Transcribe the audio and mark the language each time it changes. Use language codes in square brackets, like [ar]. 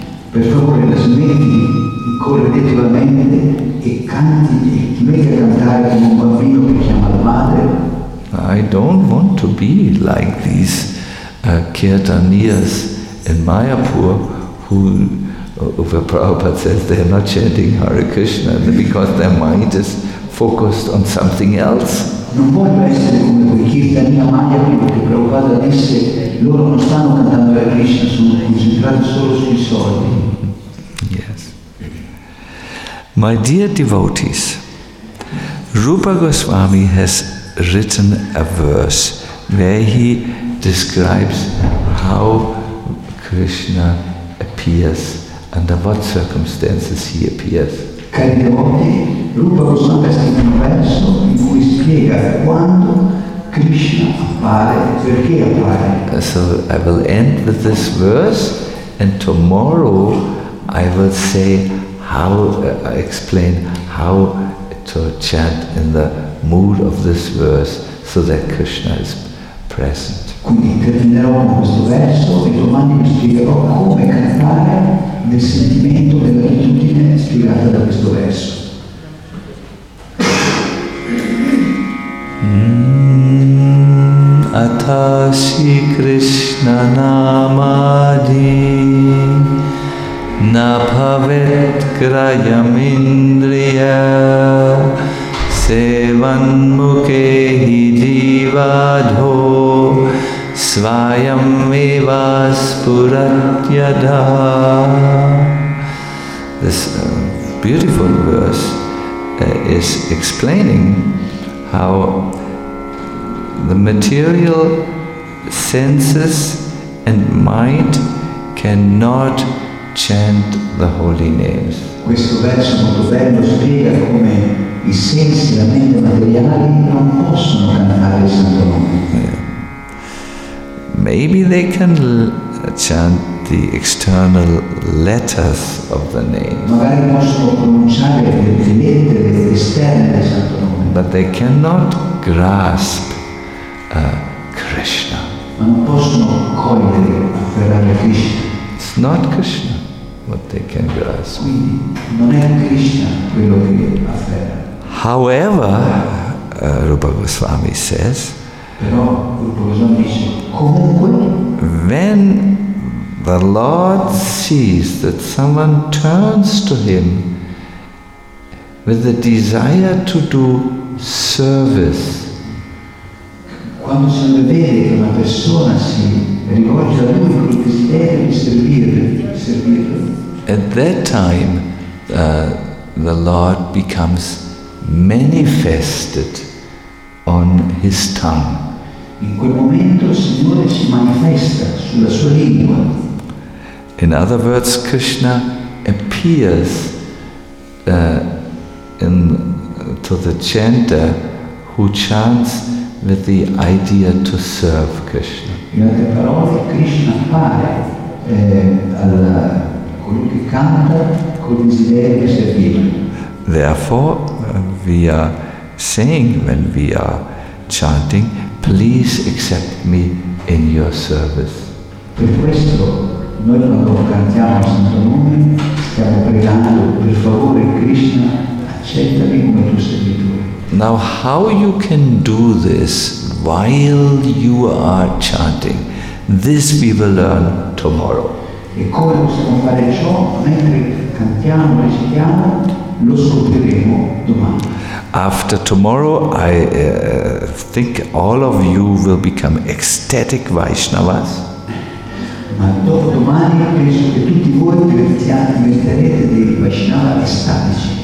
[it] Per favore la smetti di correre dietro la mente e canti e smetti a cantare come un bambino che chiama la madre. [en] I don't want to be like these kirtaniyas in Mayapur who Uva Prabhupada says they are not chanting Hare Krishna because their mind is focused on something else. [it] Non voglio essere come quei kirtaniya Mayapur che Prabhupada disse loro non stanno cantando Hare Krishna, sono concentrati solo sui soldi. [en] My dear devotees, Rupa Goswami has written a verse where he describes how Krishna appears, under what circumstances he appears. [it] Cari devoti, Rupa Goswami ha scritto un verso in cui spiega quando Krishna appare, perché appare. [en] So I will end with this verse, and tomorrow I will say how I explain how to chant in the mood of this verse so that Krishna is present. [it] Quindi terminerò con questo verso e domani vi spiegherò come cantare nel sentimento della gratitudine spiegata da questo verso. [sa] Atasi Krishna Namadi Na bhavet krayam indriya sevan muke hi jivadho svayam vivas puratyada. [en] This beautiful verse is explaining how the material senses and mind cannot chant the holy names. [it] Questo verso molto bello spiega come i sensi, la mente materiali non possono cantare il santo nome. [en] Maybe they can chant the external letters of the name. [it] Magari possono pronunciare le lettere esterne del santo nome. [en] But they cannot grasp Krishna. [it] Ma non possono cogliere, afferrare Krishna. [en] It's not Krishna what they can grasp. [it] Quindi, non è Krishna quello che afferra. [en] However, Rupa Goswami says. [it] Però Rupa Goswami dice, comunque, [en] when the Lord sees that someone turns to him with the desire to do service, [it] quando si vede che una persona si rivolge a lui con il desiderio di servirlo, [en] at that time the Lord becomes manifested on his tongue. [it] In quel momento il Signore si manifesta sulla sua lingua. [en] In other words, Krishna appears to the chanter who chants with the idea to serve Krishna. [it] In altre parole, Krishna appare a colui che canta con desiderio di servire. [en] Therefore, we are saying when we are chanting, please accept me in your service. [it] Per questo, noi quando cantiamo Santo Nome, stiamo pregando, per favore, Krishna, accettami come tuo servitore. [en] Now, how you can do this while you are chanting, this we will learn tomorrow. [it] E come possiamo fare ciò mentre cantiamo, recitiamo, lo scopriremo domani. [en] After tomorrow, I think all of you will become ecstatic Vaishnavas. [it] Ma dopo domani penso che tutti voi diventerete dei Vaishnava ecstatici.